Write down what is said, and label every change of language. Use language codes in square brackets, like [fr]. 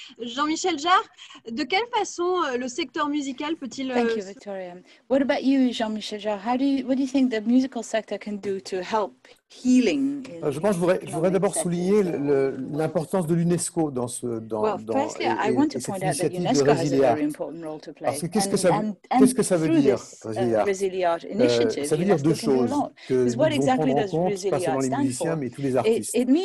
[fr] Jean-Michel Jarre, de quelle façon le secteur musical peut-il... [en] Thank you, Victoria. What about you, Jean-Michel Jarre? What do you think the musical sector can do to help healing? [fr] Je pense que je voudrais d'abord souligner l'importance de l'UNESCO dans ce... [en] Well, firstly, I want to point out that UNESCO has a very important role to play. [fr] Parce que qu'est-ce que ça veut dire, ResiliArt? Ça veut dire deux choses que pas seulement les musiciens, mais tous les artistes.